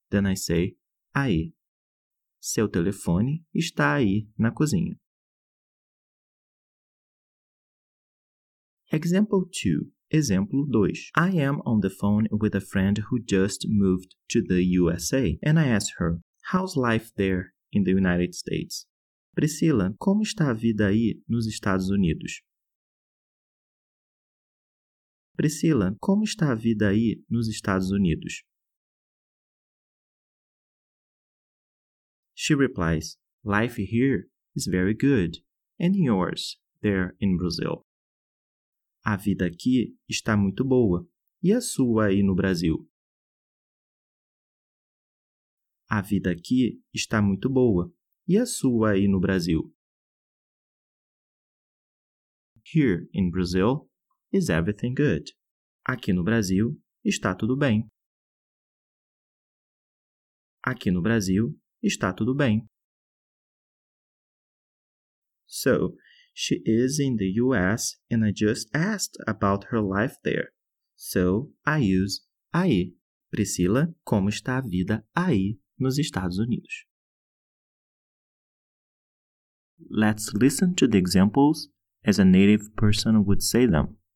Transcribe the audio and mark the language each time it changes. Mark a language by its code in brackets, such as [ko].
[en] Then I say, [pt] aí. Seu telefone está aí na cozinha. [en] Example 2. Exemplo 2. I am on the phone with a friend who just moved to the USA. And I ask her, how's life there in the United States? [pt] Priscila, como está a vida aí nos Estados Unidos? Priscila, como está a vida aí nos Estados Unidos? [en] She replies, life here is very good. And yours, there in Brazil? [pt] A vida aqui está muito boa. E a sua aí no Brasil? A vida aqui está muito boa. E a sua aí no Brasil? [en] Here in Brazil, is everything good? [pt] Aqui no Brasil, está tudo bem. Aqui no Brasil, está tudo bem. [en] So, she is in the US and I just asked about her life there. So, I use aí. [pt] Priscila, como está a vida aí nos Estados Unidos? [en] Let's listen to the examples as a native person would say them.